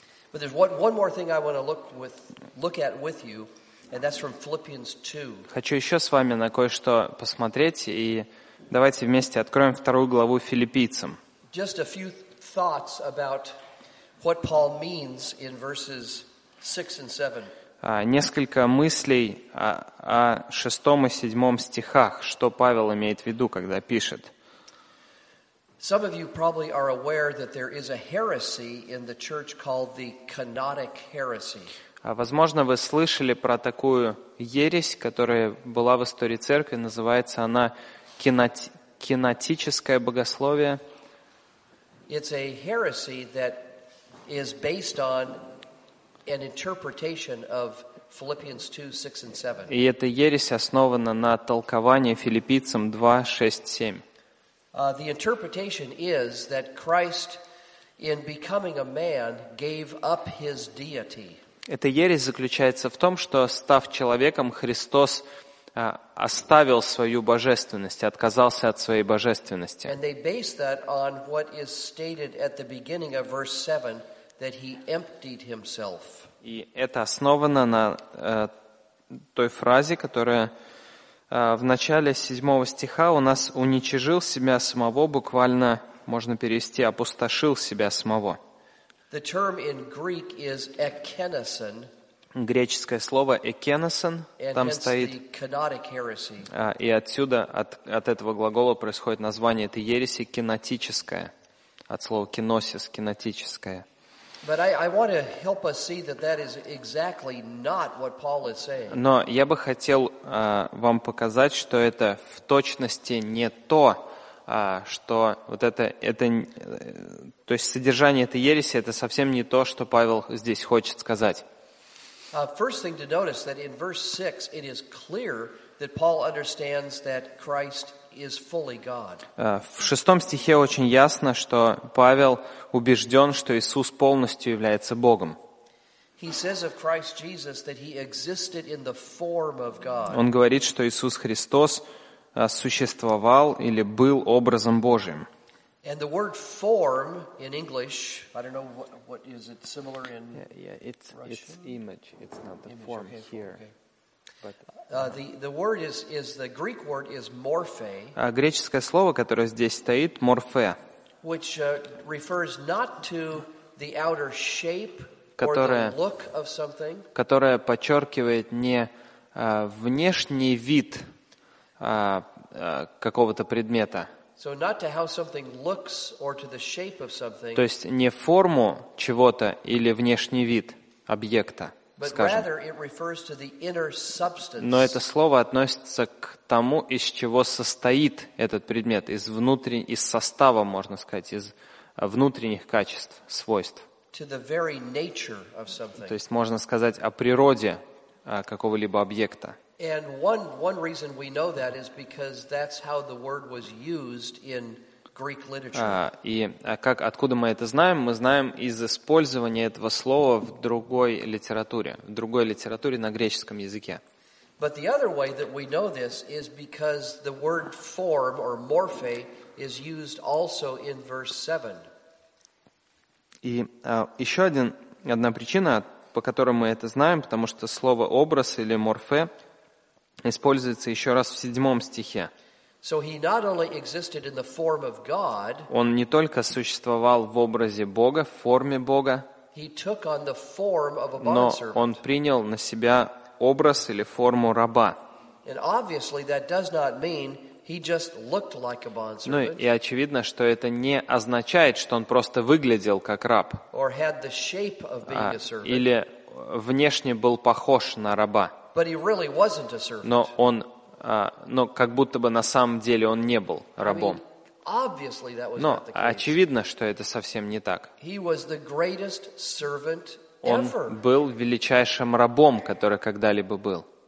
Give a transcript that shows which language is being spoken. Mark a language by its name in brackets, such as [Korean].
[English] But there's one more thing I want to look at with you, and that's from Philippians 2. [Russian] Хочу еще с вами на кое-что посмотреть, и давайте вместе откроем вторую главу Филиппийцам. [English] Just a few thoughts about what Paul means in verses 6 and 7. [Russian] Несколько мыслей о шестом и седьмом стихах, что Павел имеет в виду, когда пишет. [English] Some of you probably are aware that there is a heresy in the church called the Kenotic heresy. [Russian] Возможно, вы слышали про такую ересь, которая была в истории церкви, называется она кенотическое богословие. [English] It's a heresy that is based on an interpretation of Philippians 2, 6 and 7. [Russian] И эта ересь основана на толковании Филиппийцам 2, 6, 7. [English] The interpretation is that Christ, in becoming a man, gave up his deity. [Russian] Эта ересь заключается в том, что, став человеком, Христос оставил свою божественность, отказался от своей божественности. [English] And they base that on what is stated at the beginning of verse 7, that he emptied himself. [Russian] И это основано на той фразе, которая в начале седьмого стиха у нас уничижил себя самого, буквально можно перевести опустошил себя самого. [English] The term in Greek is ekenesin. [Russian] Греческое слово ekenesin там стоит. [English] The kenotic heresy. [Russian] И отсюда от этого глагола происходит название этой ереси кенотическая, от слова кеносис, кенотическая. [English] But I want to help us see that that is exactly not what Paul is saying. [Russian] Но я бы хотел вам показать, что это в точности не то, что вот это то есть содержание этой ереси это совсем не то, что Павел здесь хочет сказать. [English] First thing to notice that in verse 6 it is clear that Paul understands that Christ is fully God. [Russian] В шестом стихе очень ясно, что Павел убежден, что Иисус полностью является Богом. [English] He says of Christ Jesus that he existed in the form of God. [Russian] Он говорит, что Иисус Христос существовал или был образом Божьим. [English] And the word form in English, I don't know what is it similar in It's image. It's not the image, form okay, here. Okay. The word is the Greek word is morphē. [Russian] Греческое слово, которое здесь стоит, morphē. [English] Which refers not to the outer shape or the look of something. [Russian] Которое подчеркивает не внешний вид какого-то предмета. [English] So not to how something looks or to the shape of something. [Russian] То есть не форму чего-то или внешний вид объекта. Но это слово относится к тому, из чего состоит этот предмет, из состава, можно сказать, из внутренних качеств, свойств. То есть можно сказать о природе какого-либо объекта. [English] And one reason we know that is because that's how the word was used in Greek literature. [Russian] Откуда мы это знаем? Мы знаем из использования этого слова в другой литературе, на греческом языке. [English] But the other way that we know this is because the word form or morphē is used also in verse 7. [Russian] И еще одна причина, по которой мы это знаем, потому что слово образ или морфе используется еще раз в седьмом стихе. [English] So he not only existed in the form of God. [Russian] Он не только существовал в образе Бога, в форме Бога. [English] He took on the form of a bondservant. [Russian] Но он принял на себя образ или форму раба. [English] And obviously that does not mean he just looked like a bondservant. [Russian] Ну и очевидно, что это не означает, что он просто выглядел как раб. [English] Or had the shape of being a servant. [Russian] Или внешне был похож на раба. [English] But he really wasn't a servant. [Russian] Но он но как будто бы на самом деле он не был рабом. Но очевидно, что это совсем не так. Он был величайшим рабом, который когда-либо был.